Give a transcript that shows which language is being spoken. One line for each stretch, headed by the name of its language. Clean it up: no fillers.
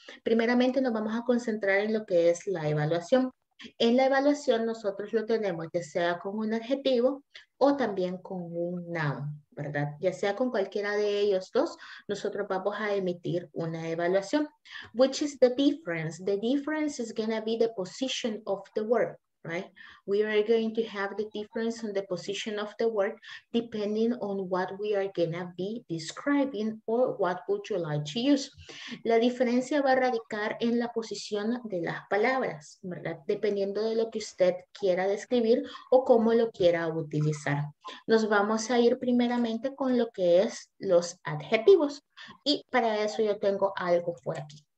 Spanish: Primeramente nos vamos a concentrar en lo que es la evaluación. En la evaluación nosotros lo tenemos ya sea con un adjetivo o también con un noun, ¿verdad? Ya sea con cualquiera de ellos dos, nosotros vamos a emitir una evaluación.
English: Which is the difference? The difference is going to be the position of the word. Right? We are going to have the difference in the position of the word depending on what we are going to be describing or what would you like to use.
Spanish: La diferencia va a radicar en la posición de las palabras, ¿verdad? Dependiendo de lo que usted quiera describir o cómo lo quiera utilizar. Nos vamos a ir primeramente con lo que es los adjetivos y para eso yo tengo algo por aquí.